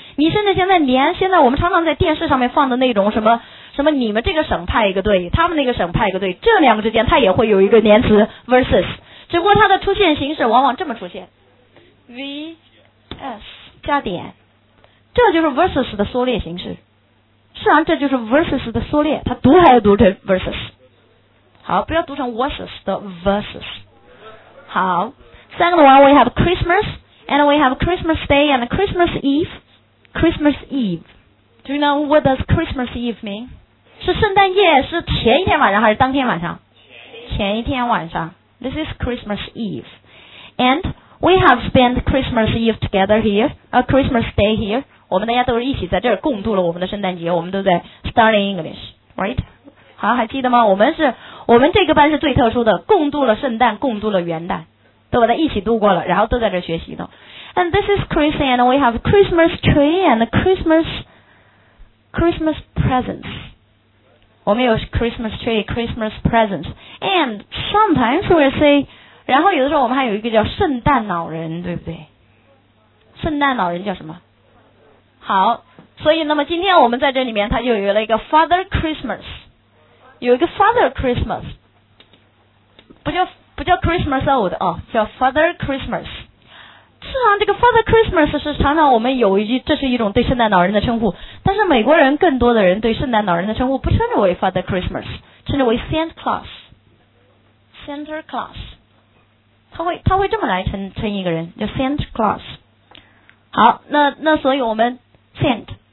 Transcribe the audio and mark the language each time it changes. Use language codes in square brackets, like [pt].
[zh] 你甚至现在我们常常在电视上面放的那种什么什么，你们这个省派一个队，他们那个省派一个队，这两个之间它也会有一个连词 versus， 只不过它的出现形式往往这么出现 vs 加点，这就是 versus 的缩略形式。是啊，这就是 versus 的缩略，它读还是读成 versus？好，不要读成 versus 的 versus。 [en] 好，second one we have Christmas and we have Christmas Day and Christmas Eve. Christmas Eve, do you know what does Christmas Eve mean? [zh] 是圣诞夜，是前一天晚上还是当天晚上？前一天晚上。 [en] This is Christmas Eve. And we have spent Christmas Eve together here, Christmas Day here. [zh] 我们大家都是一起在这儿共度了我们的圣诞节，我们都在 [en] studying English, right? [zh] 好，还记得吗？我们这个班是最特殊的，共度了圣诞，共度了元旦，都把它一起度过了，然后都在这学习的。 [en] And this is Chris and we have Christmas tree and Christmas presents. [zh] 我们有 Christmas tree, Christmas presents. [en] And sometimes we say, [zh] 然后有的时候我们还有一个叫圣诞老人，对不对？圣诞老人叫什么？好，所以那么今天我们在这里面它就有了一个 Father Christmas。有一个 Father Christmas， 不叫 Christmas Old 啊，叫 Father Christmas。事实上，这个 Father Christmas 是常常我们有一句，这是一种对圣诞老人的称呼。但是美国人更多的人对圣诞老人的称呼不称之为 Father Christmas， 称之为 Santa Claus， Santa Claus。他会这么来称一个人，叫 Santa Claus。好，那所以我们 Saint。